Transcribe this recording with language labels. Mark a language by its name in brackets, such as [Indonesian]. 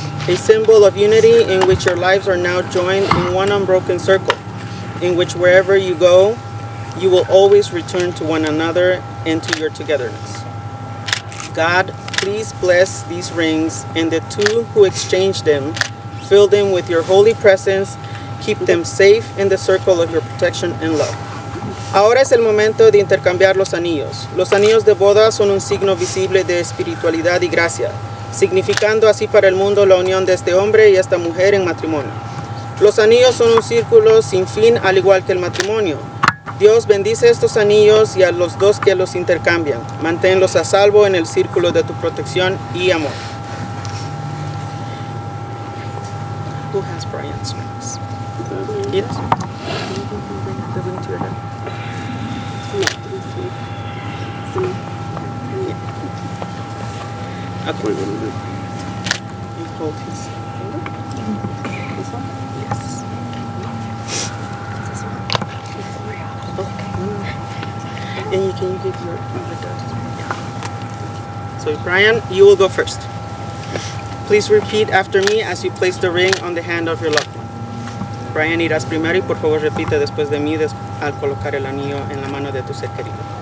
[English] A symbol of unity in which your lives are now joined in one unbroken circle, in which wherever you go, you will always return to one another and to your togetherness. God, please bless these rings and the two who exchange them, fill them with your holy presence. Keep them safe in the circle of your protection and love. [Spanish] Ahora es el momento de intercambiar los anillos. Los anillos de boda son un signo visible de espiritualidad y gracia, significando así para el mundo la unión de este hombre y esta mujer en matrimonio. Los anillos son un círculo sin fin, al igual que el matrimonio. Dios bendice estos anillos y a los dos que los intercambian. Manténlos a salvo en el círculo de tu protección y amor. [English] Who has Bryan's rings? Yes. The ring to your hand. Yeah. Okay. Wait, what is it? You hold his finger? This one? Yes. This one? Okay. And can you give your dad his ring? Yeah. So, Bryan, you will go first. Please repeat after me as you place the ring on the hand of your loved one. [Spanish] Bryan, irás primero y por favor repite después de mí al colocar el anillo en la mano de tu ser querido.